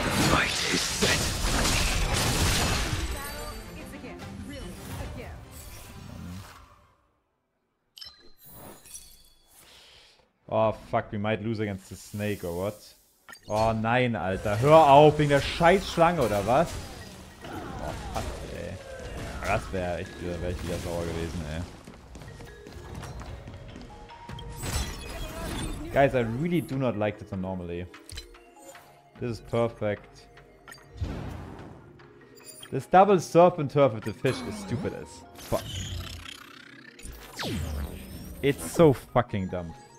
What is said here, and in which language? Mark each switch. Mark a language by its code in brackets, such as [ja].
[en] Fight is set. Oh fuck, we might lose against the snake or what? [de] Oh nein, Alter. Hör auf, wegen der scheiß Schlange oder was? Oh fuck, ey. Das wäre echt, wäre ich wieder sauer gewesen, ey. [en] Guys, I really do not like this anomaly. This is perfect. This double serpent turf with the fish is stupid as fuck. It's so fucking dumb.